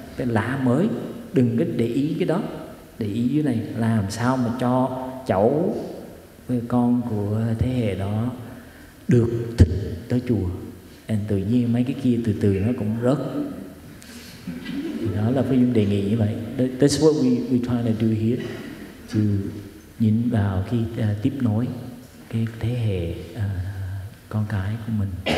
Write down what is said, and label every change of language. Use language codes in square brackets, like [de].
[vi] Cái lá mới, đừng có để ý cái đó. Để ý dưới này, làm sao mà cho cháu với con của thế hệ đó được thích tới chùa. And tự nhiên mấy cái kia từ từ nó cũng rớt. Đó là Phương Dung đề nghị như vậy. [en] That's what we trying to do here. [vi] To nhìn vào khi tiếp nối cái thế hệ con cái của mình.